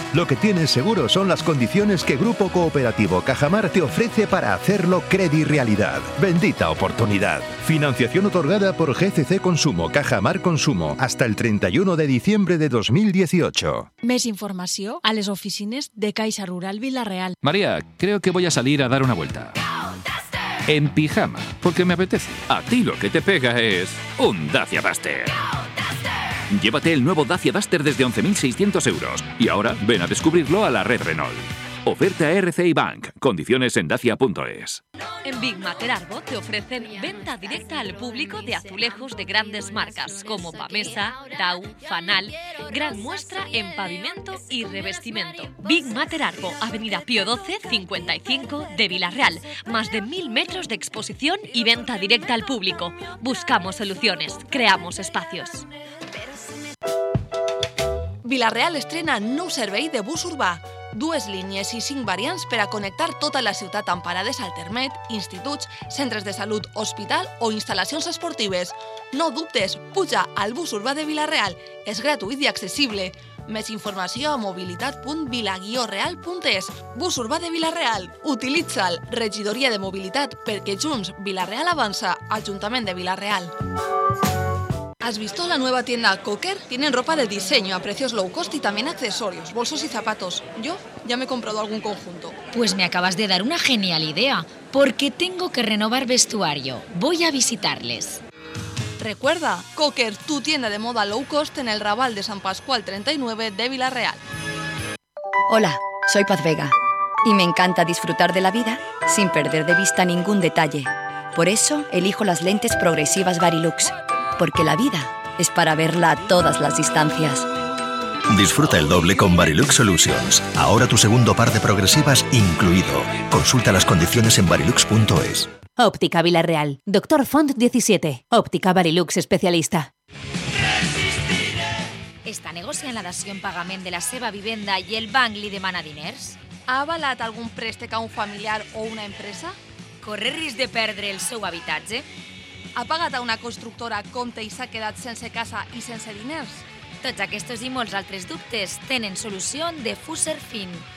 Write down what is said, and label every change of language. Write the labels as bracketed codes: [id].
[es] Lo que tienes seguro son las condiciones que Grupo Cooperativo Cajamar te ofrece para hacerlo crédito realidad. Bendita oportunidad. Financiación otorgada por GCC Consumo, Cajamar Consumo, hasta el 31 de diciembre de 2018. [ca] Més informació a les oficines de Caixa Rural Villarreal. [es] María, creo que voy a salir a dar una vuelta. En pijama, porque me apetece. A ti lo que te pega es un Dacia Duster. Llévate el nuevo Dacia Duster desde 11.600 euros. Y ahora ven a descubrirlo a la red Renault. Oferta RCI Bank. Condiciones en dacia.es. En Big Mater Arbo te ofrecen venta directa al público de azulejos de grandes marcas como Pamesa, Dau, Fanal, gran muestra en pavimento y revestimiento. Big Mater Arbo, Avenida Pío 12, 55 de Villarreal. Más de 1.000 metros de exposición y venta directa al público. Buscamos soluciones, creamos espacios. [ca] Villarreal estrena nou servei de bus urbà. Dues línies i cinc variants per a connectar tota la ciutat amb parades al Termet, instituts, centres de salut, hospital o instal·lacions esportives. No dubtes, puja al bus urbà de Villarreal. És gratuït i accessible. Més informació a mobilitat.vilareal.es. Bus urbà de Villarreal. Utilitza'l. Regidoria de Mobilitat perquè junts Villarreal avança. Ajuntament de Villarreal. [es] ¿Has visto la nueva tienda Cocker? Tienen ropa de diseño a precios low cost y también accesorios, bolsos y zapatos. Yo ya me he comprado algún conjunto. Pues me acabas de dar una genial idea, porque tengo que renovar vestuario. Voy a visitarles. Recuerda, Cocker, tu tienda de moda low cost en el Raval de San Pascual 39 de Villarreal. Hola, soy Paz Vega y me encanta disfrutar de la vida sin perder de vista ningún detalle. Por eso elijo las lentes progresivas Varilux. Porque la vida es para verla a todas las distancias. Disfruta el doble con Varilux Solutions. Ahora tu segundo par de progresivas incluido. Consulta las condiciones en varilux.es. Óptica Villarreal. Dr. Font 17. Óptica Varilux Especialista. [ca] ¿Está negociando la dació en pagament de la seva vivenda y el banc li demana diners? ¿Ha avalat algún préstec a un familiar o una empresa? ¿Corre risc de perdre el seu habitatge? Ha pagat a una constructora compte i s'ha quedat sense casa i sense diners? Tots aquests i molts altres dubtes tenen solució de Fuser Fin.